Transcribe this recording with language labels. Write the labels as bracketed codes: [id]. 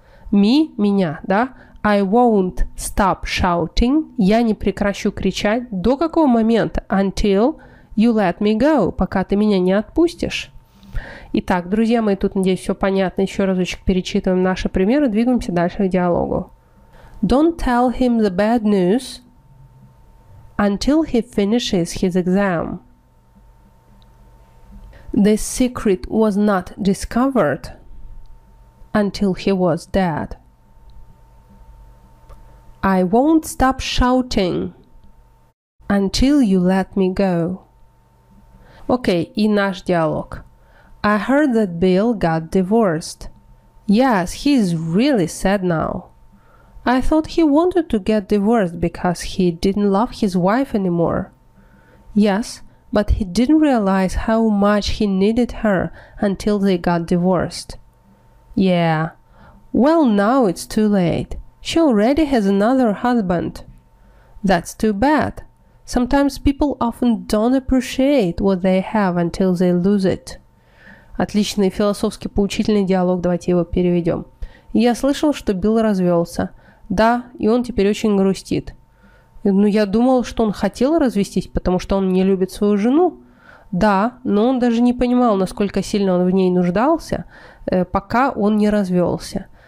[en] Me, [ru] меня, да? [en] I won't stop shouting. [ru] Я не прекращу кричать. До какого момента? [en] Until you let me go. [ru] Пока ты меня не отпустишь. Итак, друзья мои, тут, надеюсь, все понятно. Еще разочек перечитываем наши примеры. Двигаемся дальше к диалогу. [en] Don't tell him the bad news until he finishes his exam. The secret was not discovered until he was dead. I won't stop shouting until you let me go. [ru] Окей, и наш диалог. [en] I heard that Bill got divorced. Yes, he's really sad now. I thought he wanted to get divorced because he didn't love his wife anymore. Yes, but he didn't realize how much he needed her until they got divorced. Yeah, well now it's too late. She already has another husband. That's too bad. Sometimes people often don't appreciate what they have until they lose it. [ru] Отличный философский поучительный диалог, давайте его переведем. Я слышал, что Билл развелся. Да, и он теперь очень грустит. Но я думал, что он хотел развестись, потому что он не любит свою жену. Да, но он даже не понимал, насколько сильно он в ней нуждался, пока он не развелся.